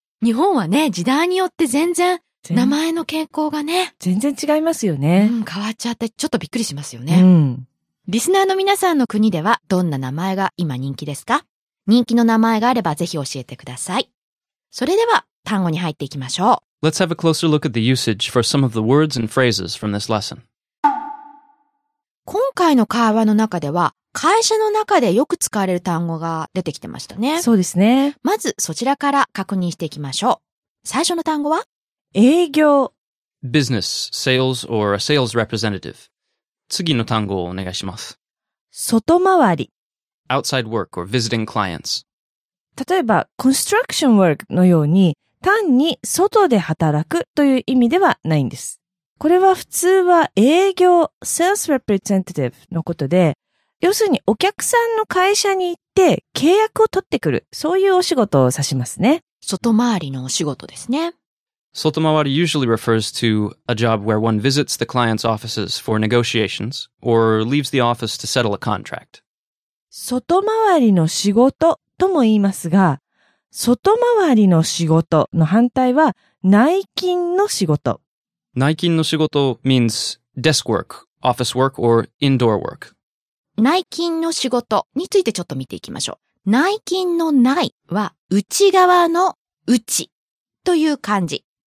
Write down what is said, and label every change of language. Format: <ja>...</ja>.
<ja>日本はね、時代によって全然名前の傾向がね。全然違いますよね。うん、変わっちゃってちょっとびっくりしますよね。うん。リスナーの皆さんの国ではどんな名前が今人気ですか？人気の名前があればぜひ教えてください。それでは、単語に入っていきましょう。</ja> <en>Let's have a closer look at the usage for some of the words and phrases from this lesson.</en> <ja>今回の会話の中では、会社の中でよく使われる単語が出てきてましたね。そうですね。まず、そちらから確認していきましょう。最初の単語は？営業。</ja> <en>Business, sales, or a sales representative.</en> <ja>次の単語をお願いします。外回り。</ja> <en>Outside work or visiting clients.</en> <ja>例えば、</ja> <en>construction work</en> <ja>のように、単に外で働くという意味ではないんです。これは普通は営業、</ja> <en>sales representative</en> <ja>のことで、要するにお客さんの会社に行って契約を取ってくる、そういうお仕事を指しますね。外回りのお仕事ですね。</ja> <en>外回り usually refers to a job where one visits the client's offices for negotiations or leaves the office to settle a contract.</en> <ja>外回りの仕事。とも言いますが、外回りの仕事の反対は内勤の仕事。</ja> <en>内勤の仕事 means desk work, office work or indoor work.</en> <ja>内勤の仕事についてちょっと見ていきましょう。内勤の内は内側の内という漢字。</ja>